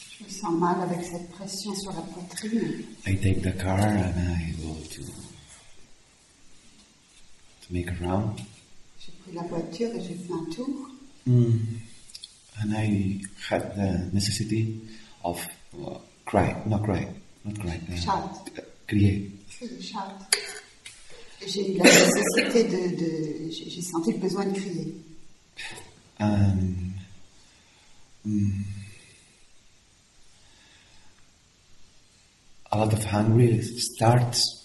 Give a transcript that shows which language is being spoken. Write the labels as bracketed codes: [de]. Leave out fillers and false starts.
[fr] Je me sens mal avec cette pression sur la poitrine. [en] I take the car and I go to make a round. [fr] La voiture et j'ai fait un tour. [en] And I had the necessity of not cry. Shout. [fr] J'ai eu la nécessité de j'ai senti le besoin de crier. [en] A lot of hungry starts.